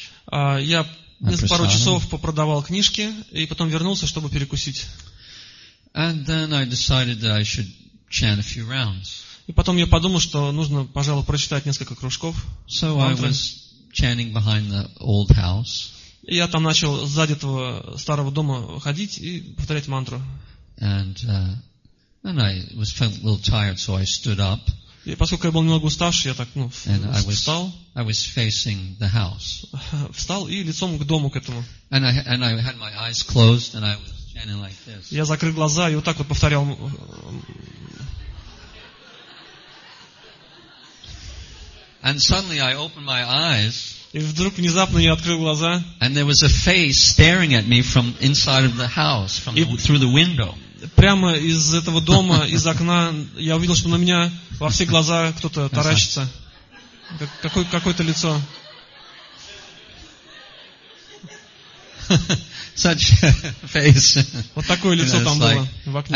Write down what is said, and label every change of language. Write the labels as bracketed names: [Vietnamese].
[Russian] Я пару часов попродавал книжки, и потом вернулся, чтобы перекусить. И потом я подумал, что нужно, пожалуй, прочитать несколько кружков. [English] So I was chanting behind the old house. [Russian] Я там начал сзади этого старого дома ходить и повторять мантру. [English] And I was felt a little tired, so I stood up. [Russian] И поскольку я был немного уставший, я так, ну, встал. [English] I was facing the house. [Russian] Встал и лицом к дому к этому. [English] And I had my eyes closed and I was chanting like this. [Russian] Я закрыл глаза и вот так вот повторял. [English] And suddenly I opened my eyes. [Russian] И вдруг внезапно я открыл глаза. [English] And there was a face staring at me from inside of the house, from through the window. [Russian] Прямо из этого дома, из окна, я увидел, что на меня во все глаза кто-то таращится. Какое-то лицо. [English] Such a face. [Russian] Вот такое лицо там было в окне.